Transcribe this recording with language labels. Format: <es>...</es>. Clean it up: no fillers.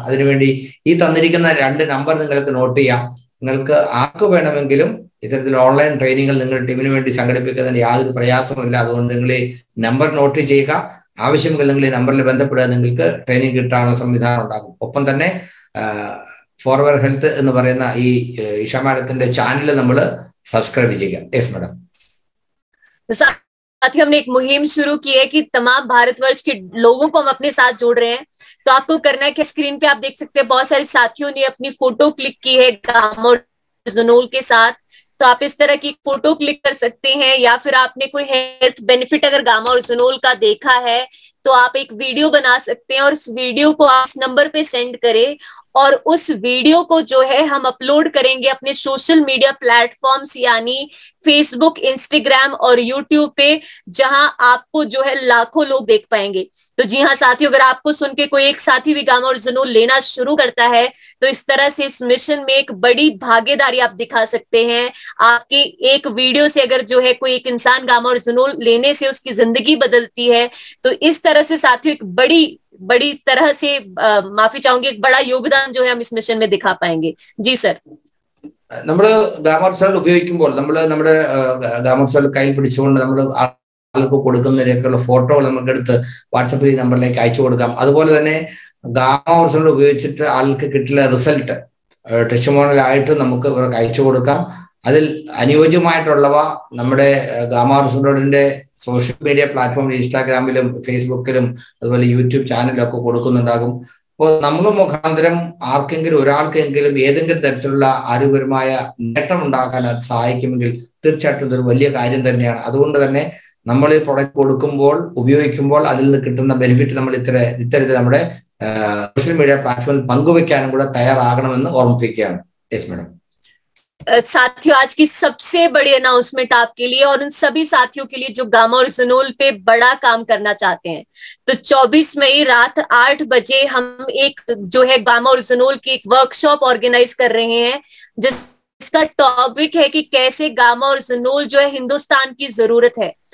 <ml>അതിനുവേണ്ടി ഈ തന്നിരിക്കുന്ന 2 നമ്പർ നിങ്ങൾക്ക് നോട്ട് ചെയ്യാം. നിങ്ങൾക്ക് ആർക്ക് വേണമെങ്കിലും ഇത്തരത്തിൽ ഓൺലൈൻ ട്രെയിനിങ്ങുകൾ നിങ്ങളുടെ ടീമിന് വേണ്ടി സംഘടിപ്പിക്കുന്നതിന് യാതൊരു പ്രയാസമില്ല. അതുകൊണ്ട് നിങ്ങൾ ഈ നമ്പർ നോട്ട് ചെയ്യുക. ആവശ്യമെങ്കിൽ നിങ്ങൾ ഈ നമ്പറിൽ ബന്ധപ്പെടുക, നിങ്ങൾക്ക് ട്രെയിനിങ് കിട്ടാനുള്ള സംവിധാനം ഉണ്ടാകും. ഒപ്പം തന്നെ ഫോർവേർ ഹെൽത്ത് എന്ന് പറയുന്ന ഈ ഇഷ മാഡത്തിന്റെ ചാനൽ നമ്മൾ സബ്സ്ക്രൈബ് ചെയ്യുക.</ml> <en>Yes madam.</en> <hi>साथ ही हमने एक मुहिम शुरू की है कि तमाम भारतवर्ष के लोगों को हम अपने साथ जोड़ रहे हैं. तो आपको करना है कि स्क्रीन पे आप देख सकते हैं बहुत सारे साथियों ने अपनी फोटो क्लिक की है गामा और जुनोल के साथ. तो आप इस तरह की फोटो क्लिक कर सकते हैं, या फिर आपने कोई हेल्थ बेनिफिट अगर गामा और जुनोल का देखा है तो आप एक वीडियो बना सकते हैं और उस वीडियो को आप इस नंबर पे सेंड करें और उस वीडियो को जो है हम अपलोड करेंगे अपने सोशल मीडिया प्लेटफॉर्म्स यानी फेसबुक, इंस्टाग्राम और यूट्यूब पे, जहां आपको जो है लाखों लोग देख पाएंगे। तो जी हाँ साथियों, अगर आपको सुन के कोई एक साथी भी गामा और जुनून लेना शुरू करता है तो इस तरह से इस मिशन में एक बड़ी भागीदारी आप दिखा सकते हैं। आपकी एक वीडियो से अगर जो है कोई एक इंसान गामा और जुनून लेने से उसकी जिंदगी बदलती है तो इस तरह से साथियों एक बड़ी बड़ी तरह से माफी चाहूंगी, एक बड़ा योगदान जो है हम इस मिशन में दिखा पाएंगे। जी सर,</hi> <ml>നമ്മൾ ഗാമർസൽ ഉപയോഗിക്കുമ്പോൾ നമ്മൾ നമ്മുടെ ഗാമർസൽ കയ്യിൽ പിടിച്ചുകൊണ്ട് നമ്മൾ ആൾക്ക് കൊടുക്കുന്നതിനൊക്കെയുള്ള ഫോട്ടോകൾ നമുക്കെടുത്ത് വാട്സപ്പിൽ ഈ നമ്പറിലേക്ക് അയച്ചു കൊടുക്കാം. അതുപോലെ തന്നെ ഗാമർസൽ ഉപയോഗിച്ചിട്ട് ആൾക്ക് കിട്ടുന്ന റിസൾട്ട് ടെസ്റ്റിമോണിയലായിട്ട് നമുക്ക് ഇവർക്ക് അയച്ചു കൊടുക്കാം. അതിൽ അനുയോജ്യമായിട്ടുള്ളവ നമ്മുടെ ഗാമർസലിന്റെ സോഷ്യൽ മീഡിയ പ്ലാറ്റ്ഫോമിൽ ഇൻസ്റ്റാഗ്രാമിലും ഫേസ്ബുക്കിലും അതുപോലെ യൂട്യൂബ് ചാനലിലൊക്കെ കൊടുക്കുന്നുണ്ടാകും. അപ്പോൾ നമ്മൾ മുഖാന്തരം ആർക്കെങ്കിലും ഒരാൾക്കെങ്കിലും ഏതെങ്കിലും തരത്തിലുള്ള ആരോഗ്യപരമായ നേട്ടം ഉണ്ടാക്കാൻ അത് സഹായിക്കുമെങ്കിൽ തീർച്ചയായിട്ടും ഇതൊരു വലിയ കാര്യം തന്നെയാണ്. അതുകൊണ്ട് തന്നെ നമ്മൾ ഈ പ്രൊഡക്റ്റ് കൊടുക്കുമ്പോൾ ഉപയോഗിക്കുമ്പോൾ അതിൽ നിന്ന് കിട്ടുന്ന ബെനിഫിറ്റ് നമ്മൾ ഇത്തരത്തിൽ നമ്മുടെ സോഷ്യൽ മീഡിയ പ്ലാറ്റ്ഫോമിൽ പങ്കുവെക്കാനും കൂടെ തയ്യാറാകണമെന്ന് ഓർമ്മിപ്പിക്കുകയാണ്.</ml> <en>Yes madam.</en> <hi>साथियों, आज की सबसे बड़ी अनाउंसमेंट आपके लिए और उन सभी साथियों के लिए जो गामा और जुनून पे बड़ा काम करना चाहते हैं, तो 24 मई रात 8 बजे हम एक जो है गामा और जुनून की एक वर्कशॉप ऑर्गेनाइज कर रहे हैं जिसका टॉपिक है कि कैसे गामा और जुनून जो है हिंदुस्तान की जरूरत है।</hi>